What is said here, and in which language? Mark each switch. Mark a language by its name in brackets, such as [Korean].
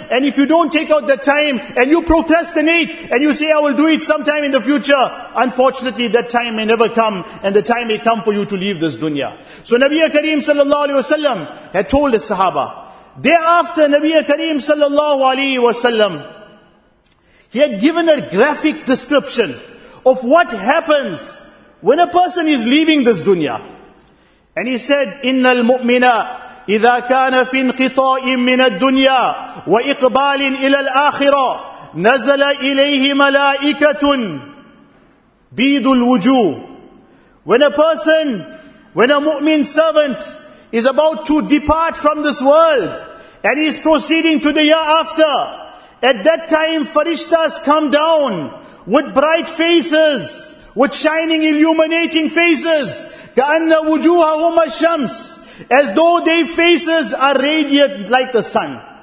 [English] And if you don't take out the time and you procrastinate and you say, I will do it sometime in the future, unfortunately that time may never come, and the time may come for you to leave this dunya. So Nabi Kareem sallallahu alayhi wa sallam had told the sahaba. Thereafter, Nabi Kareem sallallahu alayhi wa sallam, he had given a graphic description of what happens when a person is leaving this dunya. And he said, [Arabic] إِنَّ الْمُؤْمِنَ إِذَا كَانَ فِي انْقِطَاءٍ مِّنَ الدُّنْيَا وَإِقْبَالٍ إِلَى الْآخِرَةِ نَزَلَ إِلَيْهِ مَلَائِكَةٌ بِيدُ الْوُجُوهِ. [English] When a person, when a mu'min servant is about to depart from this world and he is proceeding to the year after, at that time farishtas come down with bright faces, with shining illuminating faces, [Arabic] كَأَنَّ وُجُوهَهُمَ الشَّمْسِ, [English] as though their faces are radiant like the sun.